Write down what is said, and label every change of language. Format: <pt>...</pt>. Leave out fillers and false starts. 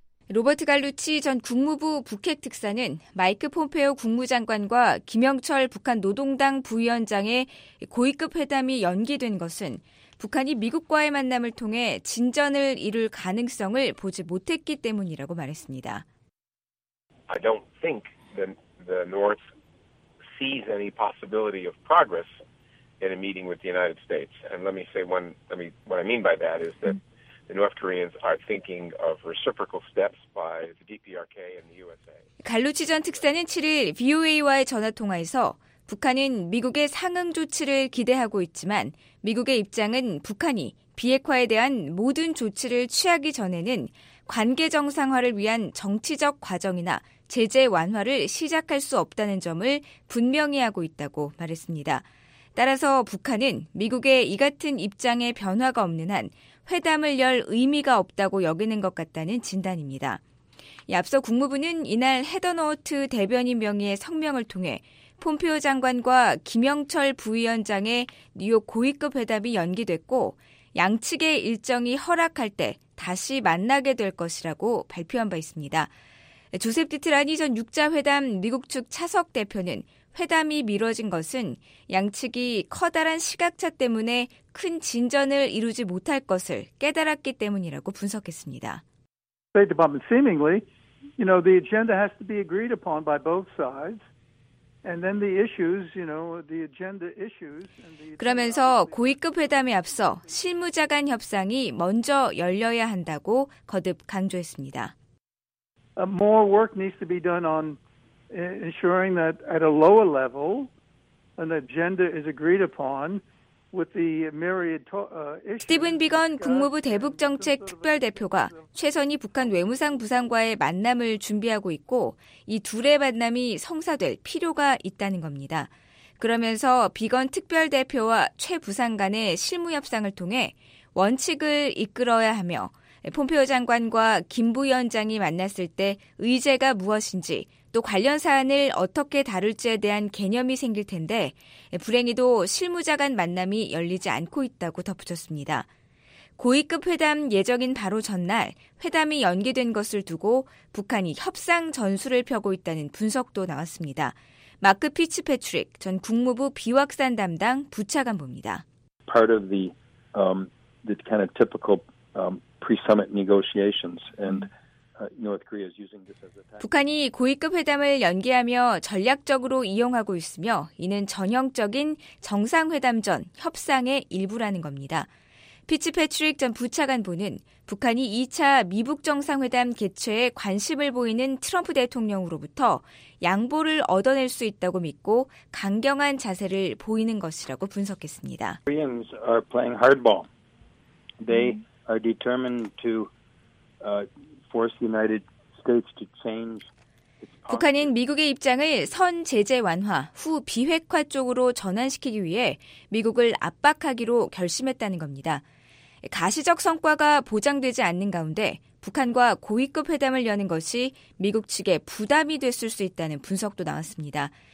<ko>로버트 갈루치 전 국무부 북핵 특사는 마이크 폼페오 국무장관과 김영철 북한 노동당 부위원장의 고위급 회담이 연기된 것은 북한이 미국과의 만남을 통해 진전을 이룰 가능성을 보지 못했기 때문이라고 말했습니다.</ko> <en>I don't think the North sees any possibility of progress in a meeting with the United States. And let me say one, let me, what I mean by that is that The North Koreans are thinking of reciprocal steps by the DPRK and the USA.</en> <ko>갈루치 전 특사는 7일 VOA와의 전화 통화에서 북한은 미국의 상응 조치를 기대하고 있지만 미국의 입장은 북한이 비핵화에 대한 모든 조치를 취하기 전에는 관계 정상화를 위한 정치적 과정이나 제재 완화를 시작할 수 없다는 점을 분명히 하고 있다고 말했습니다. 따라서 북한은 미국의 이 같은 입장에 변화가 없는 한 회담을 열 의미가 없다고 여기는 것 같다는 진단입니다. 앞서 국무부는 이날 헤더노우트 대변인 명의의 성명을 통해 폼페오 장관과 김영철 부위원장의 뉴욕 고위급 회담이 연기됐고 양측의 일정이 허락할 때 다시 만나게 될 것이라고 발표한 바 있습니다. 조셉 디트라니 전 6자회담 미국 측 차석 대표는 회담이 미뤄진 것은 양측이 커다란 시각차 때문에 큰 진전을 이루지 못할 것을 깨달았기 때문이라고 분석했습니다.</ko> <en>State Department seemingly, you know, the agenda has to be agreed upon by both sides. And then the issues, you know, the agenda issues.</en> <ko>그러면서 고위급 회담에 앞서 실무자 간 협상이 먼저 열려야 한다고 거듭 강조했습니다.</ko> <en>More work needs to be done on ensuring that at a lower level an agenda is agreed upon with the myriad issues.</en> <ko>스티븐 비건 국무부 대북정책 특별 대표가 최선희 북한 외무상 부상과의 만남을 준비하고 있고 이 둘의 만남이 성사될 필요가 있다는 겁니다. 그러면서 비건 특별 대표와 최 부상 간의 실무 협상을 통해 원칙을 이끌어야 하며 폼페오 장관과 김 부위원장이 만났을 때 의제가 무엇인지 또 관련 사안을 어떻게 다룰지에 대한 개념이 생길 텐데 불행히도 실무자 간 만남이 열리지 않고 있다고 덧붙였습니다. 고위급 회담 예정인 바로 전날 회담이 연기된 것을 두고 북한이 협상 전술을 펴고 있다는 분석도 나왔습니다. 마크 피츠 패트릭 전 국무부 비확산 담당 부차관보입니다.</ko> <en>Part of the kind of typical pre-summit negotiations and North Korea is using this as a tactic.</en> <ko>북한이 고위급 회담을 연기하며 전략적으로 이용하고 있으며 이는 전형적인 정상회담 전 협상의 일부라는 겁니다. 피츠패트릭 전 부차관보는 북한이 2차 미북 정상회담 개최에 관심을 보이는 트럼프 대통령으로부터 양보를 얻어낼 수 있다고 믿고 강경한 자세를 보이는 것이라고 분석했습니다.</ko> <en>Koreans are playing hardball. They are determined to force the United States to change.</en> <ko>북한은 미국의 입장을 선 제재 완화, 후 비핵화 쪽으로 전환시키기 위해 미국을 압박하기로 결심했다는 겁니다. 가시적 성과가 보장되지 않는 가운데 북한과 고위급 회담을 여는 것이 미국 측에 부담이 됐을 수 있다는 분석도 나왔습니다.</ko>